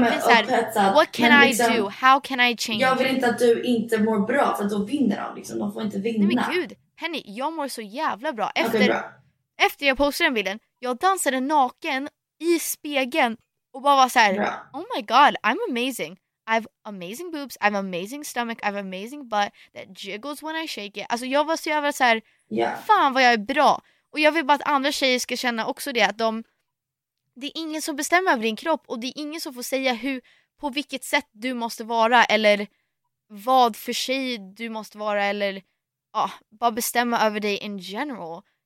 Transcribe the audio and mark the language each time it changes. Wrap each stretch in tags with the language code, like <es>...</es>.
<sv>blir såhär,</sv> <en>what can I</en> <sv>liksom,</sv> <en>do? How can I change?</en> <sv>Jag vill inte att du inte mår bra, för då vinner de liksom. De får inte vinna. Nej, men gud. Penny, jag mår så jävla bra. Efter, okay, bra. Efter jag postade den bilden, jag dansade naken i spegeln och bara var så här, bra.</sv> <en>Oh my god, I'm amazing. I have amazing boobs, I have amazing stomach, I have amazing butt that jiggles when I shake it.</en> <sv>Alltså jag var så jävla så här,</sv> <en>yeah.</en> <sv>Fan vad jag är bra. Och jag vill bara att andra tjejer ska känna också det, att det är ingen som bestämmer över din kropp och det är ingen som får säga på vilket sätt du måste vara eller vad för tjej du måste vara eller bara bestämma över dig</sv> <en>in general.</en>